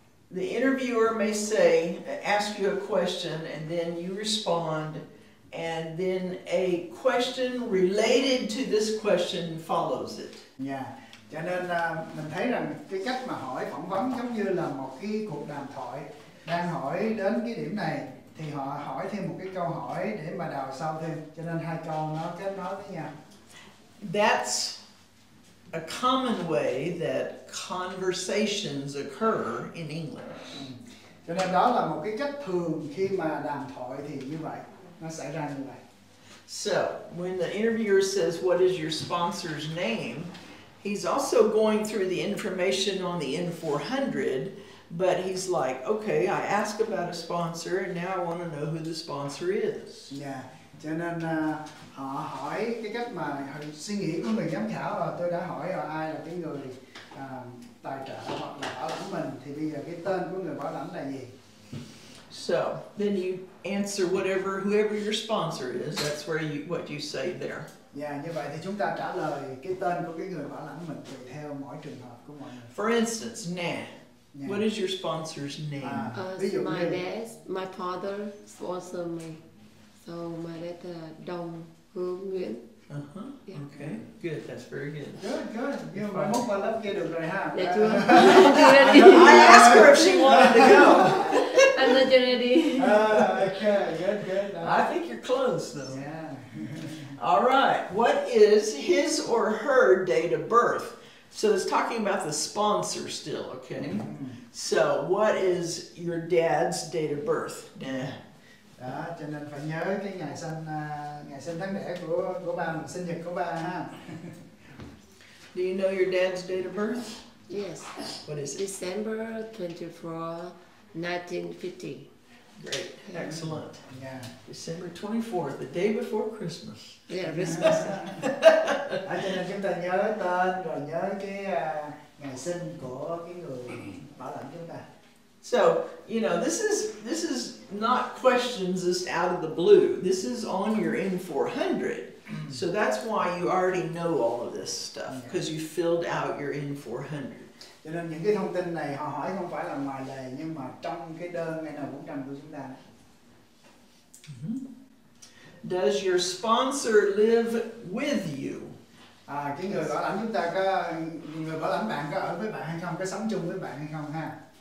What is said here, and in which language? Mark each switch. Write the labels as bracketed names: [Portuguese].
[English] The interviewer may say, ask you a question, and then you respond. And then a question related to this question follows it. Yeah. [Vietnamese] Cho nên mình thấy rằng cái cách mà hỏi phỏng vấn giống như là một cái cuộc đàm thoại. Đang hỏi đến cái điểm này thì họ hỏi thêm một cái câu hỏi để mà đào sâu thêm. Cho nên hai câu nó kết nối với nhau. [English] That's a common way that conversations occur in English. [Vietnamese] Cho nên đó là một cái cách thường khi mà đàm thoại thì như vậy. [English] So, when the interviewer says, what is your sponsor's name, he's also going through the information on the N-400, but he's like, okay, I ask about a sponsor, and now I want to know who the sponsor is. [Vietnamese] Yeah, cho nên họ hỏi cái cách mà suy nghĩ của người giám khảo là tôi đã hỏi ai là cái người tài trợ hoặc là bảo lãnh mình, thì bây giờ cái tên của người bảo lãnh là gì? [English] So, then you answer whatever, whoever your sponsor is, that's where you, what you say there. [Vietnamese] Yeah, như vậy thì chúng ta trả lời cái tên của cái người bảo lãnh mình tùy theo mỗi trường hợp của mọi người. [English] For instance, nah. Yeah. What is your sponsor's name? My father sponsored me. So, my dad Đồng Hương Nguyễn. Uh-huh, yeah. Okay, good, that's very good. Good, good. Yeah, my mom, I love you, right? I asked her if she wanted to go. I'm not ready. Okay, good. I think you're close, though. Yeah. All right, what is his or her date of birth? So it's talking about the sponsor still, okay? Mm-hmm. So what is your dad's date of birth? Nah. [Vietnamese] Đó, cho nên phải nhớ cái ngày sinh tháng đẻ của ba, mình sinh nhật của ba ha. [English] Do you know your dad's date of birth? Yes. What is it? December 24, 1950. Great. Yeah. Excellent. Yeah. December 24, the day before Christmas. Yeah, Christmas. [Vietnamese] Cho nên chúng ta nhớ tên rồi nhớ cái ngày sinh của cái người bảo lãnh chúng ta. [English] So, you know, this is not questions just out of the blue. This is on your N-400. So that's why you already know all of this stuff, because you filled out your N-400. [Vietnamese] Cho nên những cái thông tin này họ hỏi không phải là ngoài lề, nhưng mà trong cái đơn N-400 của chúng ta. [English] Does your sponsor live with you? [Vietnamese] À, cái người bảo lãnh chúng ta có, người bảo lãnh bạn có ở với bạn hay không, có sống chung với bạn hay không ha?